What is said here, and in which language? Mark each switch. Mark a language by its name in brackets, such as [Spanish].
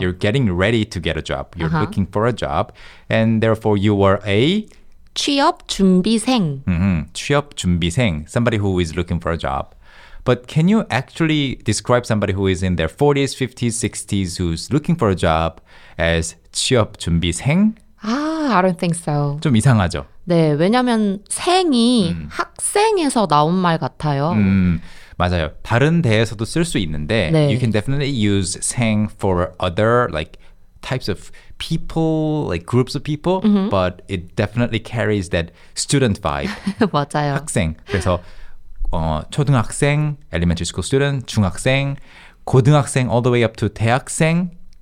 [English] You're getting ready to get a job. You're uh-huh. looking for a job. And therefore, you are a? [Korean] 취업 준비생. [English] Mm-hmm. 취업 준비생. Somebody who is looking for a job. But can you actually describe somebody who is in their 40s, 50s, 60s who's looking for a job as 취업 준비생? I don't think so. [Korean] 좀 이상하죠? 네, 왜냐면 생이 학생에서 나온 말 같아요. 맞아요. 다른 데에서도 쓸 수 있는데 네. [English] you can definitely use 생 for other like types of people, like groups of people, mm-hmm. but it definitely carries that student vibe. [Korean] 맞아요. 학생. 그래서 초등학생, [English] elementary school student, [Korean] 중학생, 고등학생 [English] all the way up to [Korean] 대학생.